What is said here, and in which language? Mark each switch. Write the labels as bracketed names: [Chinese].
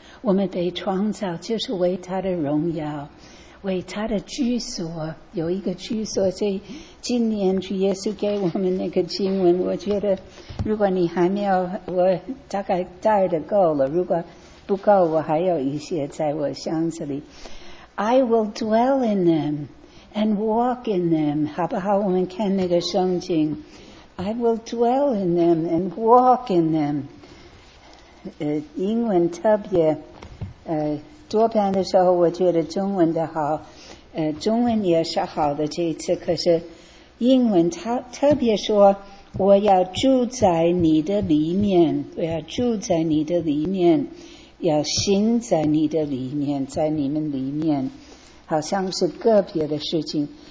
[Chinese] 我们被创造就是为他的荣耀，为他的居所，有一个居所。所以今年主耶稣给我们那个经文，我觉得如果你还没有，我大概带的够了，如果不够我还有一些在我箱子里。 [English] I will dwell in them and walk in them， [Chinese] 好不好？我们看那个圣经， [English] I will dwell in them and walk in them。 [Chinese] 英文特别多半的时候我觉得中文的好，中文也是好的这一次，可是英文特别说我要住在你的里面，我要住在你的里面，要行在你的里面，在你们里面，好像是个别的事情。